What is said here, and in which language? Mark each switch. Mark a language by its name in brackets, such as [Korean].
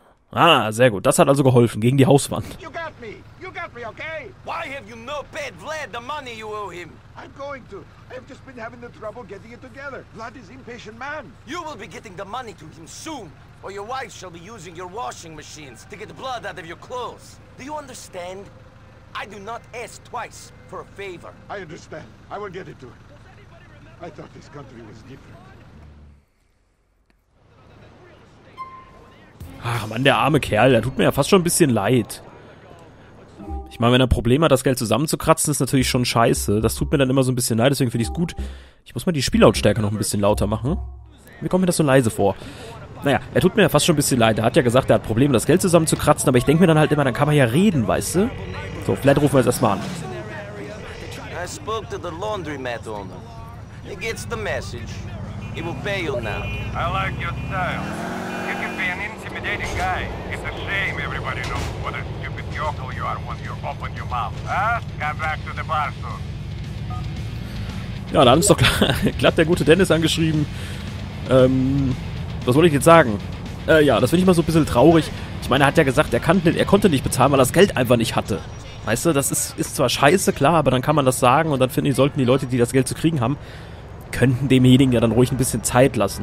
[German] Ah, sehr gut. Das hat also geholfen, gegen die Hauswand. Okay. [English] Why have you not paid Vlad the money you owe him? I'm going to. I've just been having the trouble getting it together. Vlad is impatient man. You will be getting the money to him soon, or your wife shall be using your washing machines to get blood out of your clothes. Do you understand? I do not ask twice for a favor. I understand. I will get it to him. I thought this country was different. [German] Ach man, der arme Kerl, der tut mir ja fast schon ein bisschen leid. Ich meine, wenn er ein Problem hat, das Geld zusammenzukratzen, ist natürlich schon scheiße. Das tut mir dann immer so ein bisschen leid, deswegen finde ich es gut. Ich muss mal die Spiellautstärke noch ein bisschen lauter machen. Mir kommt mir das so leise vor. Naja, er tut mir ja fast schon ein bisschen leid. Er hat ja gesagt, er hat Probleme, das Geld zusammenzukratzen, aber ich denke mir dann halt immer, dann kann man ja reden, weißt du? So, vielleicht rufen wir es erstmal an. [English] I spoke to the laundromat owner. He gets the message. He will pay you now. I like your style. You can be an intimidating guy. It's a shame everybody knows what it is. You are when you open your mouth. Huh? Come back to the bar soon. [German] Ja, dann ist doch glatt der gute Dennis angeschrieben. Was wollte ich jetzt sagen? Ja, das finde ich mal so ein bisschen traurig. Ich meine, er hat ja gesagt, er konnte nicht bezahlen, weil er das Geld einfach nicht hatte. Weißt du, das ist zwar scheiße, klar, aber dann kann man das sagen und dann finde ich, sollten die Leute, die das Geld zu kriegen haben, könnten demjenigen ja dann ruhig ein bisschen Zeit lassen.